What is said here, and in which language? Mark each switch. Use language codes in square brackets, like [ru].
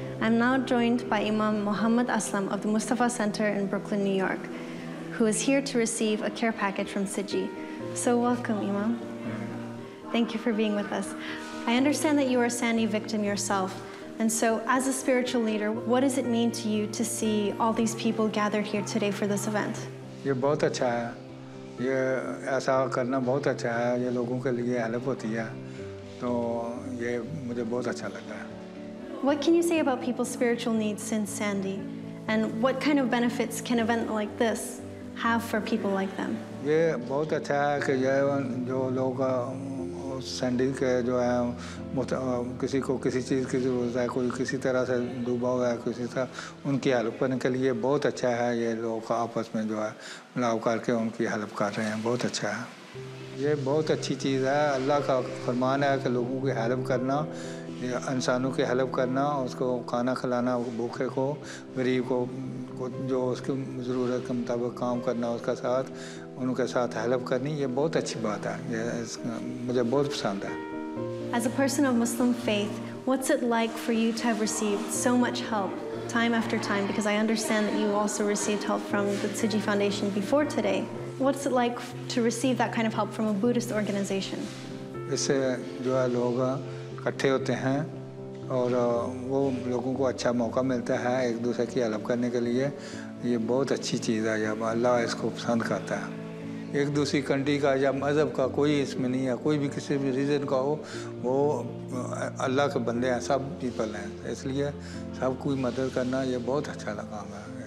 [en] I'm now joined by Imam Muhammad Aslam of the Mustafa Center in Brooklyn, New York, who is here to receive a care package from Tzu Chi. So welcome, Imam. Thank you for being with us. I understand that you are a Sandy victim yourself. And so, as a spiritual leader, what does it mean to you to see all these people gathered here today for this event? [hi] ये बहुत अच्छा है ये ऐसा करना बहुत अच्छा है ये लोगों के लिए हेल्प होती है तो ये मुझे बहुत अच्छा लगता है [en] What can you say about people's spiritual needs since Sandy? And what kind of benefits can an event like this have for people like them? [hi] ये बहुत अच्छा है कि ये जो लोग सैंडी के जो है किसी को किसी चीज़ की जरूरत है, कोई किसी तरह से डूबा हुआ है किसी तरह, उनकी हेल्प करने के लिए बहुत अच्छा है। ये लोग आपस में जो है मिलाव करके उनकी हेल्प कर रहे हैं, बहुत अच्छा है। ये बहुत अच्छी चीज़ है, अल्लाह का फरमान है कि लोगों की हेल्प करना, इंसानों की हेल्प करना, उसको खाना खिलाना, भूखे को, गरीब को, जो उसकी ज़रूरत के मुताबिक काम करना, उसका साथ उनके साथ हेल्प करनी, ये बहुत अच्छी बात है, ये मुझे बहुत पसंद है। [en] As a person of Muslim faith, what's it like for you to have received so much help time after time? Because I understand that you also received help from the Tzu Chi Foundation before today. What's it like to receive that kind of help from a Buddhist organization? [hi] इससे जो है लोग इकट्ठे होते हैं और वो लोगों को अच्छा मौका मिलता है एक दूसरे की हेल्प करने के लिए, ये बहुत अच्छी चीज़ है, जब अल्लाह इसको पसंद करता है। एक दूसरी कंट्री का या मज़हब का कोई इसमें नहीं है, कोई भी किसी भी रीज़न का हो, वो अल्लाह के बंदे हैं, सब पीपल हैं, इसलिए सब कोई मदद करना ये बहुत अच्छा काम है।